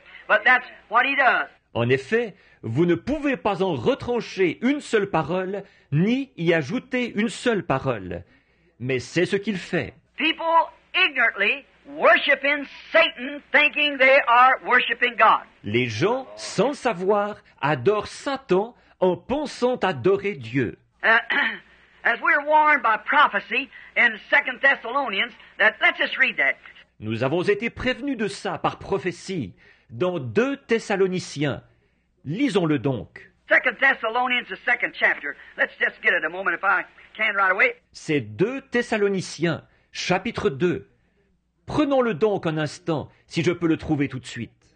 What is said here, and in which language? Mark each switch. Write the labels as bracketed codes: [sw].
[en] But that's what he does. [fr] En effet, vous ne pouvez pas en retrancher une seule parole, ni y ajouter une seule parole. Mais c'est ce qu'il fait. [en] People ignorantly worshiping Satan, thinking they are worshiping God. [fr] Les gens, sans savoir, adorent Satan en pensant adorer Dieu. [en] As we're warned by prophecy in 2 Thessalonians, that let's just read that. [fr] Nous avons été prévenus de ça par prophétie dans 2 Thessaloniciens. Lisons-le donc. [en] 2 Thessalonians, the second chapter. Let's just get it a moment if I can right away. [fr] C'est 2 Thessaloniciens, chapitre 2. Prenons-le donc un instant, si je peux le trouver tout de suite.